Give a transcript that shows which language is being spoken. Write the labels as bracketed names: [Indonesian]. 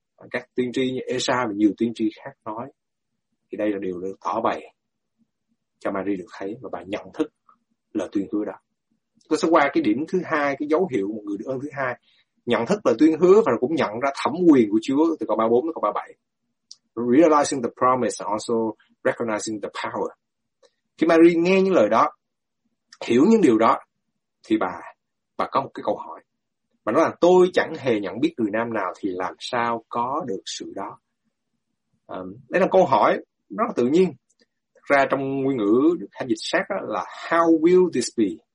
[Vietnamese] Các tiên tri như Esa và nhiều tiên tri khác nói. Thì đây là điều được tỏ bày cho Mary được thấy và bà nhận thức lời tuyên hứa đó. Tôi sẽ qua cái điểm thứ hai, cái dấu hiệu một người được ơn thứ hai. Nhận thức lời tuyên hứa và cũng nhận ra thẩm quyền của Chúa từ câu 34 đến câu 37. [English] Realizing the promise and also recognizing the power. [Vietnamese] Khi Mary nghe những lời đó, hiểu những điều đó, thì bà có một cái câu hỏi. Bà nói là tôi chẳng hề nhận biết người nam nào thì làm sao có được sự đó. Đây là câu hỏi rất là tự nhiên. Thật ra trong nguyên ngữ được hành dịch sát là [English] how will this be?